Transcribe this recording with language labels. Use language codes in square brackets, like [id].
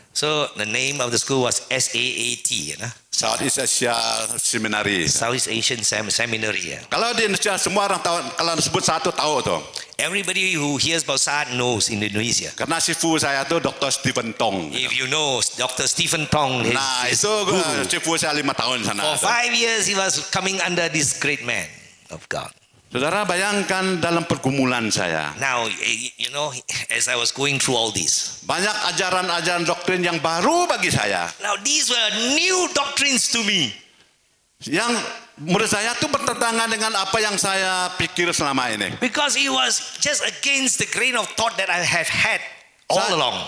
[en] So the name of the school was SAAT, you know? Southeast Asia Seminary. Southeast Asian Seminary. Yeah. [id] Kalau di Indonesia semua orang tahu, kalau disebut satu tahu tu. [en] Everybody who hears about Saat knows in Indonesia. [id] Karena sifu saya tu Dr. Stephen Tong. [en] If you know Dr. Stephen Tong, [id] sifu saya 5 tahun sana. [en] For 5 years he was coming under this great man of God. [id] Saudara bayangkan dalam pergumulan saya. [en] Now, you know, as I was going through all this. [id] Banyak ajaran-ajaran doktrin yang baru bagi saya. [en] Now, these were new doctrines to me. [id] Yang menurut saya itu bertentangan dengan apa yang saya pikir selama ini. [en] Because it was just against the grain of thought that I have had all along.